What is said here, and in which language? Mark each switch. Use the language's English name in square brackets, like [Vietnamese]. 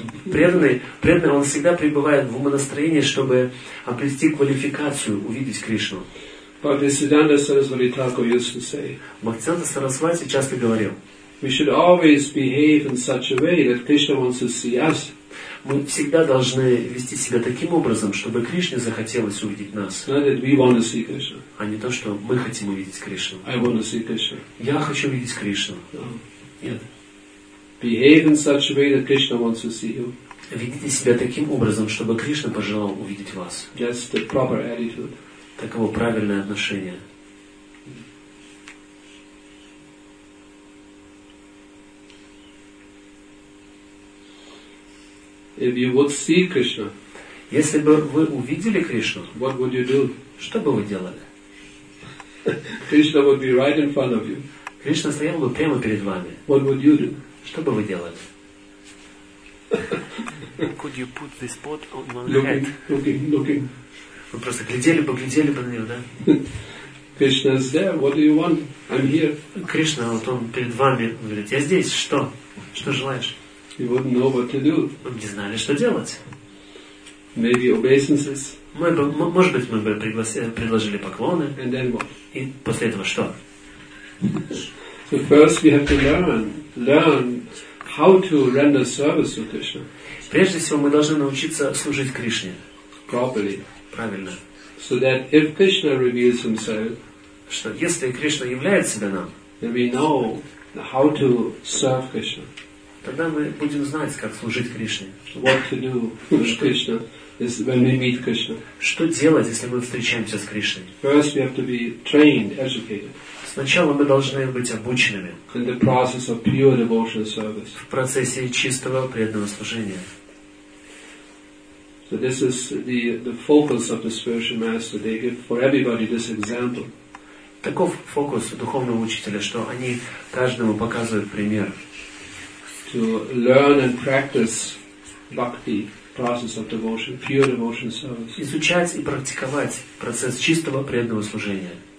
[Russian] Преданный он всегда пребывает в умонастроении, чтобы обрести квалификацию, увидеть Кришну. [English] Bhaktisiddhanta Sarasvati Thakur used to say, [Russian] Bhaktisiddhanta Sarasvati часто говорил, [English] we should always behave in such a way that Krishna wants to see us. [Russian] Мы всегда должны вести себя таким образом, чтобы Кришне захотелось увидеть нас. [English] Not that we want to see Krishna. [Russian] А не то, что мы хотим увидеть Кришну. [English] I want to see Krishna. [Russian] Я хочу увидеть Кришну. [English] No. Behave in such a way that Krishna wants to see you. [Russian] Ведите себя таким образом, чтобы Кришна пожелал увидеть вас. [English] That's the proper attitude. [Russian] Таково правильное отношение. [English] If you would see Krishna, [Russian] если бы вы увидели Кришну, [English] what would you do? [Russian] Что бы вы делали? [English] Krishna would be right in front of you. [Russian] Кришна стоял бы прямо перед вами. [English] What would you do? [Russian] Что бы вы делали? [English] Could you put this pot on my head? Looking. [Russian] Вы просто глядели бы на него, да? [English] Krishna is there. What do you want? I'm here. [Russian] Кришна, вот он перед вами, говорит, я здесь. Что? Что желаешь? [English] He wouldn't know what to do. [Russian] Мы бы не знали, что делать. [English] Maybe obeisances. [Russian] Может быть, мы бы предложили поклоны. [English] And then what? [Russian] И после этого что? [English] So first we have to learn how to render service to Krishna. [Russian] Прежде всего мы должны научиться служить Кришне. [English] Properly. [Russian] Правильно. [English] So that if Krishna reveals himself, [Russian] что если Кришна являет себя нам, [English] then we know how to serve Krishna. [Russian] Тогда мы будем знать, как служить Кришне. [English] What to do with Krishna is when we meet Krishna. [Russian] Что делать, если мы встречаемся с Кришной? [English] First we have to be trained, educated. [Russian] Сначала мы должны быть обученными. [English] In the process of pure devotional service. [Russian] В процессе чистого преданного служения. [English] So this is the focus of the spiritual master. They give for everybody this example. [Russian] Таков фокус духовного учителя, что они каждому показывают пример. [English] To learn and practice bhakti, process of devotion, pure devotional service. [Russian] Изучать и практиковать процесс чистого преданного служения.